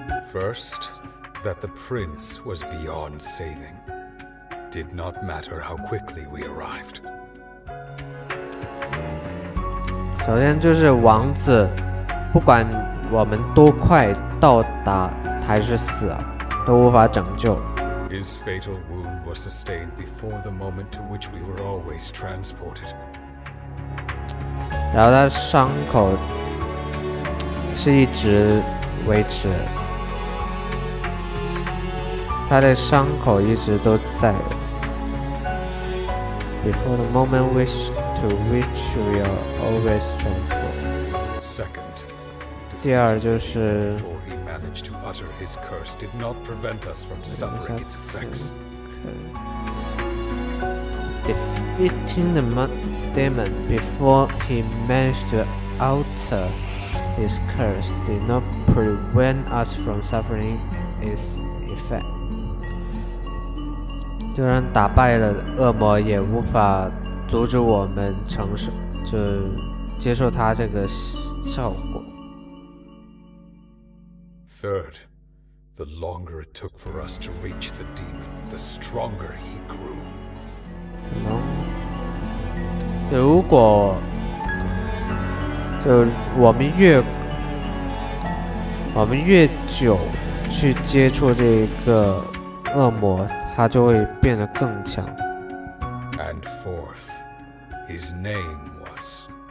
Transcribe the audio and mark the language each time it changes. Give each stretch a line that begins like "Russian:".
English: First, that the prince was beyond saving. Did not matter how quickly we arrived.
Chinese: 首先就是王子，不管我们多快到达，还是死，都无法拯救。
English: His fatal wound was sustained before the moment to which we were always transported.
Chinese: 然后他伤口是一直维持，他的伤口一直都在。
English: Before the moment which to which we are always transported. Second.
Chinese: 第二就是。
English: Managed to utter his curse did not prevent us from suffering its effects. Defeating the demon before he managed to utter his curse did not prevent us from suffering its effect.
Chinese: 就算打败了恶魔，也无法阻止我们承受，就接受他这个效果。
English: Third, the longer it took for us to reach the demon, the stronger he grew.
Chinese: 如果就我们越久去接触这个恶魔，他就会变得更强。
English: And fourth, his name was.